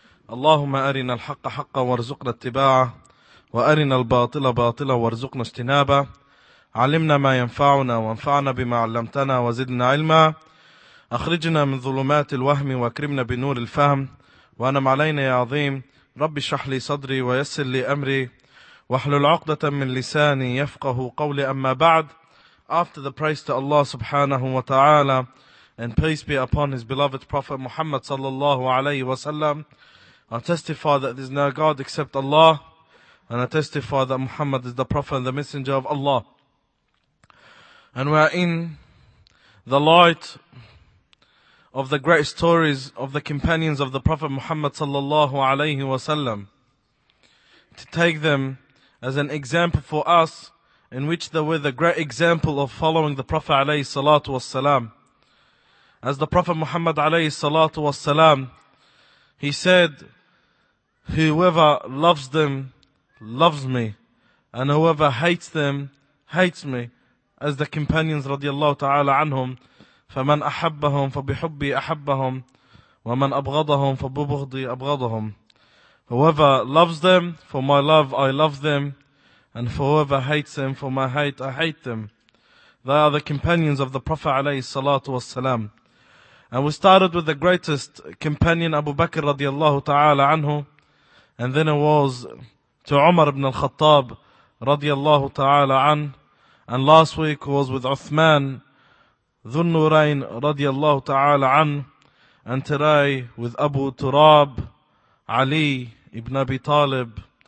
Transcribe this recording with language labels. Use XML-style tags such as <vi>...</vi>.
<ar>اللهم أرنا الحق حقا وارزقنا اتباعه، وأرنا الباطل باطلا وارزقنا اجتنابه، علمنا ما ينفعنا وانفعنا بما علمتنا وزدنا علما، أخرجنا من ظلمات الوهم واكرمنا بنور الفهم، وأنعم علينا يا عظيم. رب اشرح لي صدري ويسر لي أمري واحلل عقدة من لساني يفقه قولي. أما بعد،</ar> <en>after the praise to Allah subhanahu wa ta'ala and peace be upon his beloved Prophet Muhammad sallallahu alayhi wa sallam, I testify that there is no God except Allah, and I testify that Muhammad is the Prophet and the Messenger of Allah. And we are in the light of the great stories of the companions of the Prophet Muhammad sallallahu alayhi wa sallam, to take them as an example for us, in which they were the great example of following the Prophet alayhi salatu wa sallam. As the Prophet Muhammad alayhi salatu wa sallam, he said, whoever loves them, loves me, and whoever hates them, hates me. As the companions radiallahu ta'ala anhum,</en> <ar>فَمَنْ أَحَبَّهُمْ فَبِحُبِّي أَحَبَّهُمْ وَمَنْ أَبْغَضَهُمْ فَبُبُغْضِي أَبْغَضَهُمْ.</ar> <en>Whoever loves them, for my love I love them, and for whoever hates them, for my hate I hate them. They are the companions of the Prophet</en> <ar>عليه الصلاة والسلام.</ar> <en>And we started with the greatest companion, Abu Bakr radiallahu ta'ala anhu, and then it was to Umar ibn al-Khattab radiallahu ta'ala an, and last week was with Uthman Dhunnurain radiallahu ta'ala an, and today with Abu Turab, Ali ibn Abi Talib,</en>